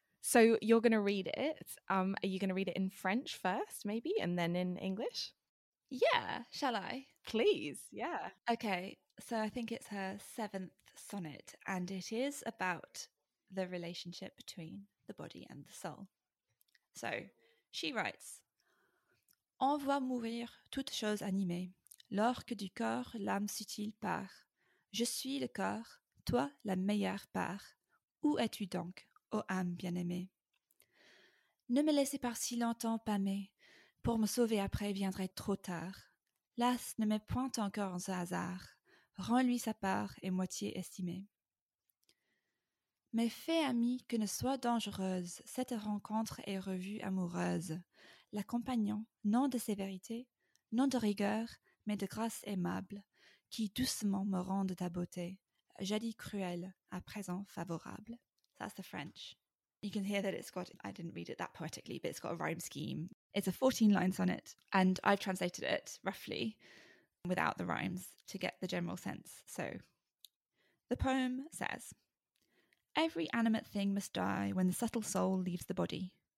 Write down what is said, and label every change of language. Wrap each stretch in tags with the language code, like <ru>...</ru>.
<en>So you're going to read it. Are you going to read it in French first, maybe, and then in English? Yeah, shall I? Please, yeah. Okay, so I think it's her seventh sonnet, and it is about the relationship between the body and the soul. So she writes,</en> <fr>on voit mourir toutes choses animées, lorsque du corps l'âme subtile part. Je suis le corps, toi la meilleure part. Où es-tu donc, ô âme bien-aimée? Ne me laissez pas si longtemps pâmer, pour me sauver après viendrait trop tard. Las, ne mets point encore en ce hasard, rends-lui sa part et moitié estimée. Mais fais, ami, que ne soit dangereuse cette rencontre et revue amoureuse, l'accompagnant, non de sévérité, non de rigueur, mais de grâce aimable, qui doucement me rende ta beauté, jadis cruelle, à présent favorable.</fr> <en>That's the French. You can hear that it's got, I didn't read it that poetically, but it's got a rhyme scheme. It's a 14-line sonnet, and I've translated it roughly without the rhymes to get the general sense. So, the poem says, every animate thing must die when the subtle soul leaves the body.</en>